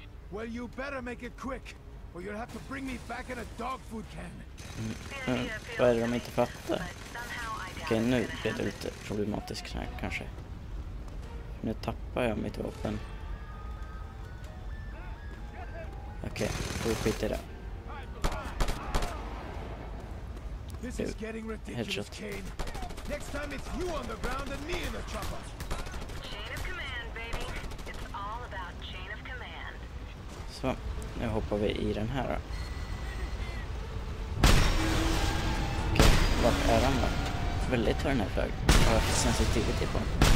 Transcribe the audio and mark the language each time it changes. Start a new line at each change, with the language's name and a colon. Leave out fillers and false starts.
English: Well, you better make it quick, or you'll have to bring me back in a dog food can.
Swedish: Vad är det de inte fattar? Okej, nu blir det lite problematiskt här, kanske. Nu tappar jag mitt vapen. Okej, okay, då skiter jag.
English: This is getting ridiculous, Kane. Next time it's you on the ground and me in the chopper. Chain of command, baby. It's all about chain of command.
Swedish: Så, nu hoppar vi i den här då. Okej, okay, vart är han då? Väldigt hör den här flög. Jag har sensitivity på honom.